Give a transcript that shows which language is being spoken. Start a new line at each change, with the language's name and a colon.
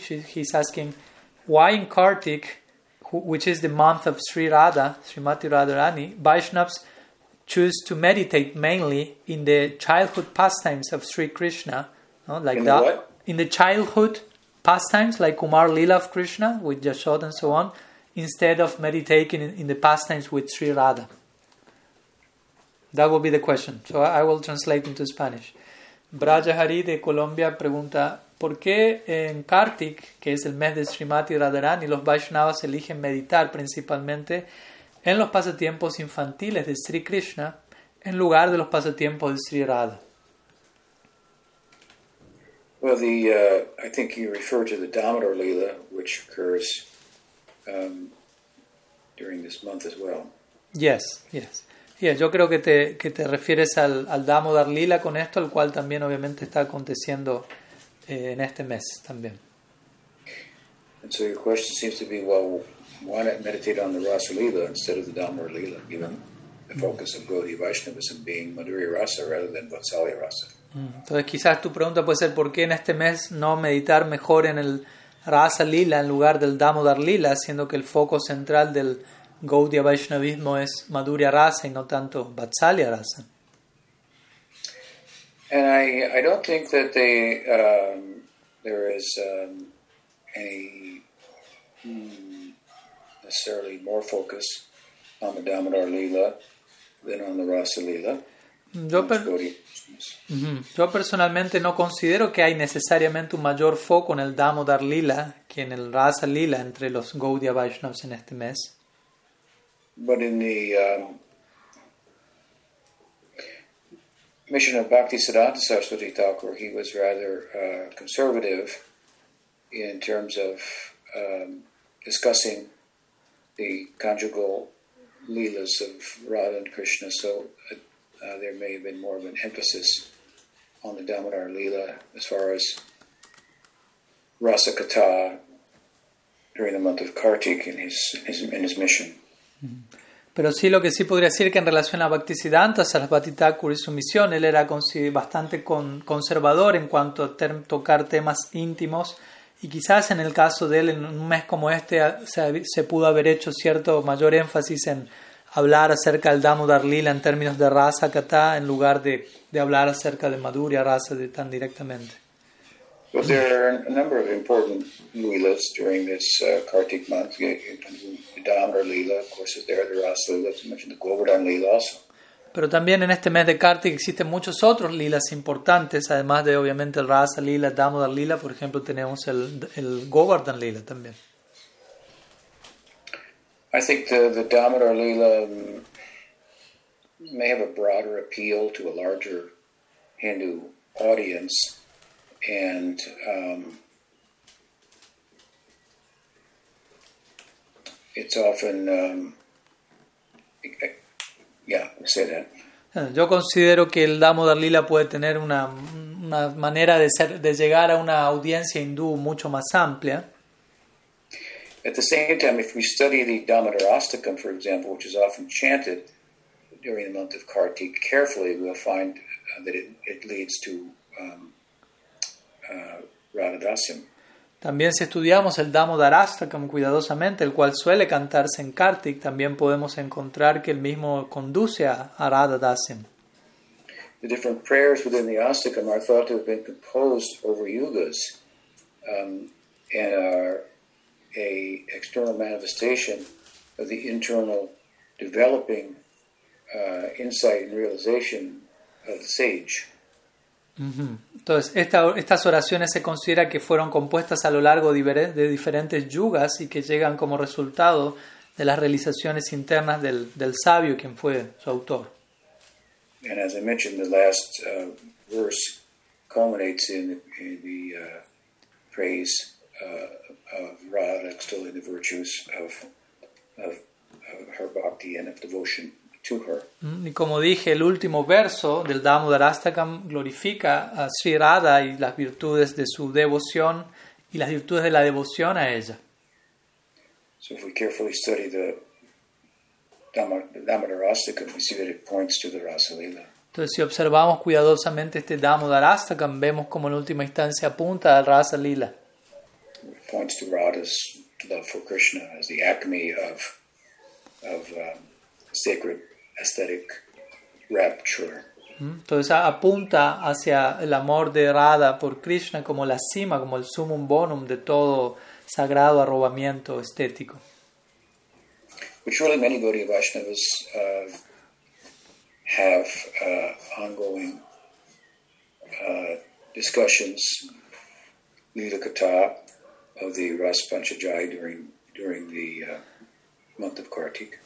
English: He's asking, why in Kartik, which is the month of Sri Radha, Srimati Radharani, Vaishnavas choose to meditate mainly in the childhood pastimes of Sri Krishna? No? Like in that? What? In the childhood pastimes, like Kumar Lila of Krishna, with Yashoda and so on, instead of meditating in the pastimes with Sri Radha. That will be the question. So I will translate into Spanish.
Spanish: Braja Hari de Colombia pregunta, ¿por qué en Kartik, que es el mes de Srimati Radharani, los Vaishnavas eligen meditar principalmente en los pasatiempos infantiles de Sri Krishna en lugar de los pasatiempos de Sri Radha?
English: Well, the I think you refer to the Damodar Leela, which occurs during this month as well. Yes, yes.
Spanish: Yeah, yo creo que te refieres al Damodar Leela con esto, el cual también obviamente está aconteciendo en este mes también.
English: And so your question seems to be, well, why not meditate on the Rasa Leela instead of the Damodar Leela, given the focus of Gaudiya Vaishnavism being Madhuri Rasa rather than Vatsalya Rasa?
Spanish: Entonces quizás tu pregunta puede ser, ¿por qué en este mes no meditar mejor en el Rasa Leela en lugar del Damodar Leela, siendo que el foco central del Gaudiya Vaishnavismo es Madhurya Rasa y no tanto Vatsalya Rasa?
English: And I don't think that they there is any necessarily more focus on the Damodar Leela than on the Rasa Leela.
Spanish: Yo personalmente no considero que hay necesariamente un mayor foco en el Damodar Leela que en el Rasa Leela entre los Gaudiya Vaishnavas en este mes.
English: But in the mission of Bhaktisiddhanta Saraswati Thakur, he was rather conservative in terms of discussing the conjugal leelas of Radha and Krishna, so there may have been more of an emphasis on the Damodar Leela as far as Rasa Katha during the month of Kartik in his mission.
Spanish: Pero sí, lo que sí podría decir que en relación a Bhaktisiddhanta Saraswati Thakur y su misión, él era bastante conservador en cuanto a tocar temas íntimos, y quizás en el caso de él, en un mes como este, se pudo haber hecho cierto mayor énfasis en hablar acerca del Damodar Leela en términos de Rasa Katha en lugar de hablar acerca de Madhurya Rasa tan directamente.
English: Well, there are a number of important leelas during this Kartik month. The Damodar Leela, of course, is there. The Rasa Leela, as you mentioned, the Govardhan Leela also.
Spanish: Pero también en este mes de Kartik existen muchos otros leelas importantes, además de obviamente el Rasa Leela, Damodar Leela. Por ejemplo, tenemos el Govardhan Leela también.
English: I think the Damodar Leela may have a broader appeal to a larger Hindu audience. And it's often, I say that.
Spanish: Yo considero que el Damodar Leela puede tener una manera de llegar a una audiencia hindú mucho más amplia.
English: At the same time, if we study the Damodar Astakam, for example, which is often chanted during the month of Kartik carefully, we'll find that it leads to Radha-dasyam.
Spanish: También si estudiamos el Damodar Astakam cuidadosamente, el cual suele cantarse en Kartik, también podemos encontrar que el mismo conduce a Radha-dasyam.
English: The different prayers within the Astakam are thought to have been composed over yugas and are a external manifestation of the internal developing insight and realization of the sage.
Spanish: Entonces, estas oraciones se considera que fueron compuestas a lo largo de diferentes yugas y que llegan como resultado de las realizaciones internas del sabio, quien fue su autor.
English: And as I mentioned, the last verse culminates in the praise of Radha extolling the virtues of her bhakti and of devotion to her.
Spanish: Y como dije, el último verso del Damodar Astakam glorifica a Sri Radha y las virtudes de su devoción y las virtudes de la devoción a ella.
English: So if we carefully study the Damodar Astakam, we see that it points to the Rasa Leela.
Spanish: Entonces, si observamos cuidadosamente este Damodar Astakam, vemos como en última instancia apunta al Rasa Leela.
English: It points to Radha's love for Krishna as the acme of sacred aesthetic rapture.
Spanish: Entonces apunta hacia el amor de Radha por Krishna como la cima, como el sumum bonum de todo sagrado arrobamiento estético.
English: Which really many Gaudiya Vaishnavas have ongoing discussions, Lila Katha of the Ras Panchajai during the month of Kartik.